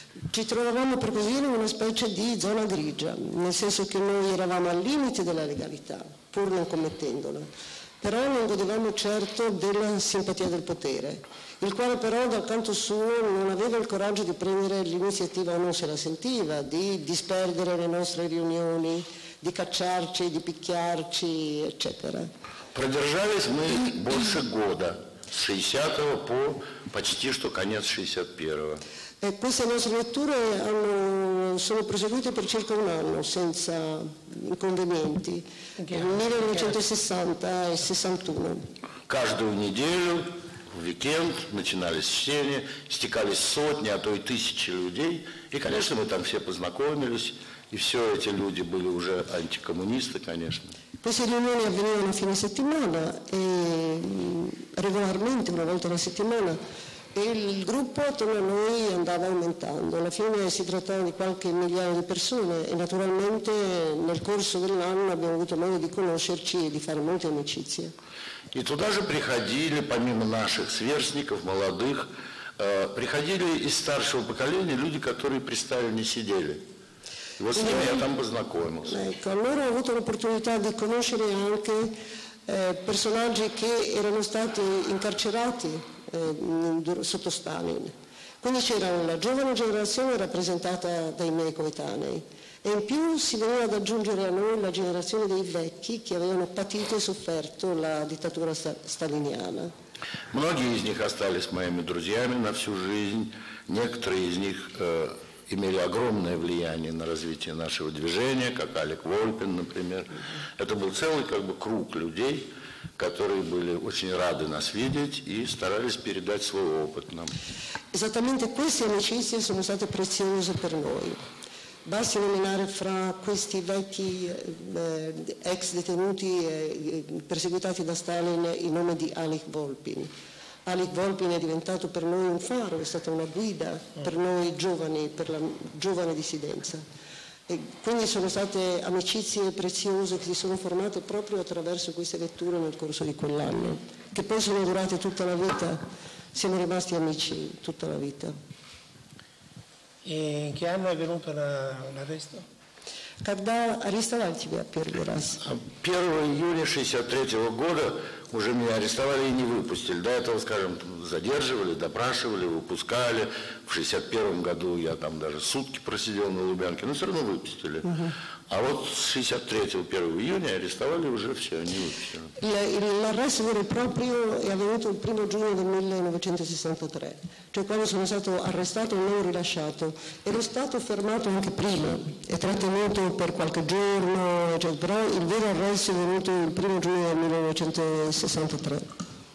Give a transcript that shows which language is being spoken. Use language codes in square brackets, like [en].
[it] Ci trovavamo per così dire in una specie di zona grigia, nel senso che noi eravamo al limite della legalità, pur non commettendola, però non godevamo certo della simpatia del potere, il quale però dal canto suo non aveva il coraggio di prendere l'iniziativa o non se la sentiva, di disperdere le nostre riunioni, di cacciarci, di picchiarci, eccetera. [ru] Продержались мы больше года, с 60-го по почти что конец 61-го. [it] E queste nostre letture sono proseguite per circa un anno senza inconvenienti, nel 1960 e 61. [ru] Каждую неделю, в weekend, начинались чтения, стекались сотни, а то и тысячи людей. И, конечно, мы там все познакомились, и все эти люди были уже антикоммунисты, конечно. [it] Queste riunioni avvenivano fine settimana, e regolarmente, una volta alla settimana. il gruppo attorno a noi andava aumentando, alla fine si trattava di qualche migliaio di persone e naturalmente nel corso dell'anno abbiamo avuto modo di conoscerci e di fare molte amicizie. E [ru] туда же приходили, помимо наших сверстников, молодых, приходили из старшего поколения люди, которые при Сталине не сидели. Вот с ними я там познакомился. [it] Ecco, allora ho avuto l'opportunità di conoscere anche personaggi che erano stati incarcerati sotto Stalin. Quindi c'era la giovane generazione rappresentata dai miei coetanei e in più si veniva ad aggiungere a noi la generazione dei vecchi che avevano patito e sofferto la dittatura staliniana. [ru] Многие из них остались моими друзьями на всю жизнь. Некоторые из них имели огромное влияние на развитие нашего движения, как Алек Вольпин, например. Это был целый как бы круг людей, которые были очень рады нас видеть и старались передать свой опыт нам. [it] Esattamente queste amicizie sono state preziose per noi. Basti nominare fra questi vecchi ex detenuti perseguitati da Stalin il nome di Alek Vulpin. Alek Vulpin è diventato per noi un faro, è stata una guida per noi giovani, per la giovane dissidenza. E quindi sono state amicizie preziose che si sono formate proprio attraverso queste vetture nel corso di quell'anno, che poi sono durate tutta la vita, siamo rimasti amici tutta la vita. E in che anno è venuto l'arresto? [ru] Когда арестовали тебя первый раз? 1 июля 1963 года уже меня арестовали и не выпустили. До этого, скажем, задерживали, допрашивали, выпускали. В 1961 году я там даже сутки просидел на Лубянке, но все равно выпустили. А вот с 1963, 1 июня, арестовали уже все, не выпустили. [it] L'arresto vero e proprio è avvenuto il 1 giugno del 1963, cioè quando sono stato arrestato e non rilasciato. Ero stato fermato anche prima, è trattenuto per qualche giorno, cioè, però il vero arresto è avvenuto il 1 giugno del 1963.